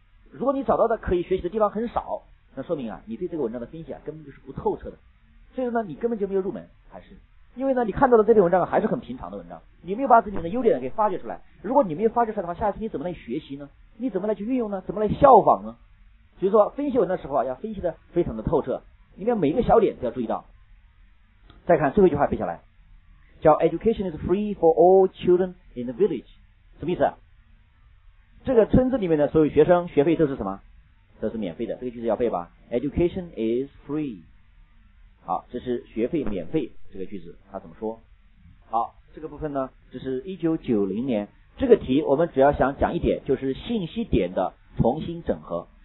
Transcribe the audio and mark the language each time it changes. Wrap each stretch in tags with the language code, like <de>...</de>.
<zh>如果你找到的可以学习的地方很少，那说明啊你对这个文章的分析啊根本就是不透彻的，所以说呢你根本就没有入门。还是因为呢你看到的这篇文章还是很平常的文章，你没有把自己的优点给发掘出来。如果你没有发掘出来的话，下一次你怎么来学习呢？你怎么来去运用呢？怎么来效仿呢？所以说分析文章的时候啊要分析的非常的透彻，里面每一个小点都要注意到。再看最后一句话背下来，叫</zh> <en>education is free for all children in the village，</en> <zh>什么意思？这个村子里面的所有学生学费都是什么？都是免费的，这个句子要背吧。</zh> <en>education is free，</en> <zh>好，这是学费免费这个句子它怎么说。好，这个部分呢这是1990年，这个题我们主要想讲一点，就是信息点的重新整合。</zh>